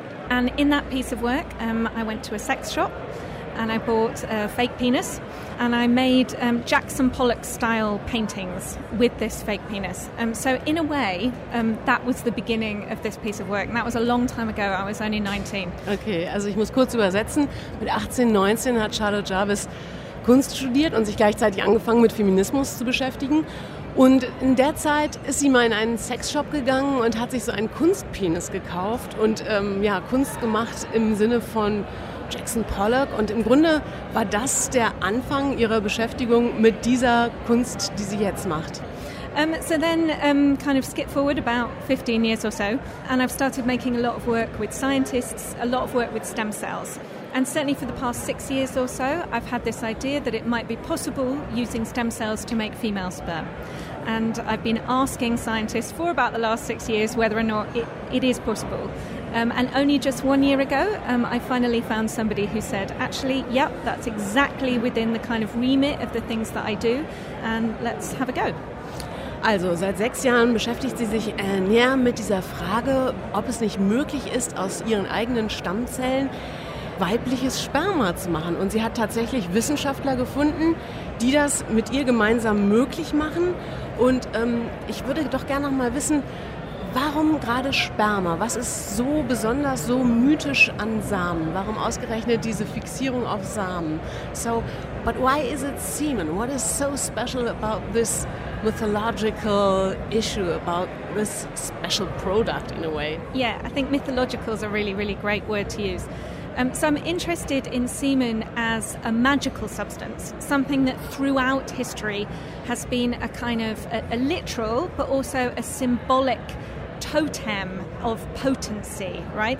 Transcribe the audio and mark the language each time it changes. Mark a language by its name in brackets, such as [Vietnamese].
[English] And in that piece of work, I went to a sex shop and I bought a fake penis, and I made Jackson Pollock-style paintings with this fake penis. So in a way, that was the beginning of this piece of work. And that was a long time ago. I was only 19. [German] Okay, also ich muss kurz übersetzen. Mit 18, 19 hat Charlotte Jarvis Kunst studiert und sich gleichzeitig angefangen, mit Feminismus zu beschäftigen. Und in der Zeit ist sie mal in einen Sexshop gegangen und hat sich so einen Kunstpenis gekauft und Kunst gemacht im Sinne von Jackson Pollock. Und im Grunde war das der Anfang ihrer Beschäftigung mit dieser Kunst, die sie jetzt macht. [English] Kind of skip forward about 15 years or so, and I've started making a lot of work with scientists, a lot of work with stem cells. And certainly for the past 6 years or so, I've had this idea that it might be possible using stem cells to make female sperm. and I've been asking scientists for about the last 6 years whether or not it is possible. And only just 1 year ago, I finally found somebody who said, actually, yep, that's exactly within the kind of remit of the things that I do, and let's have a go. [German] Also, seit 6 Jahren beschäftigt sie sich näher mit dieser Frage, ob es nicht möglich ist, aus ihren eigenen Stammzellen weibliches Sperma zu machen. Und sie hat tatsächlich Wissenschaftler gefunden, die das mit ihr gemeinsam möglich machen. Und ich würde doch gerne noch mal wissen, warum gerade Sperma? Was ist so besonders, so mythisch an Samen? Warum ausgerechnet diese Fixierung auf Samen? [English] So, but why is it semen? What is so special about this mythological issue, about this special product in a way? Yeah, I think mythological is a really, really great word to use. So I'm interested in semen as a magical substance, something that throughout history has been a kind of a literal but also a symbolic totem of potency, right?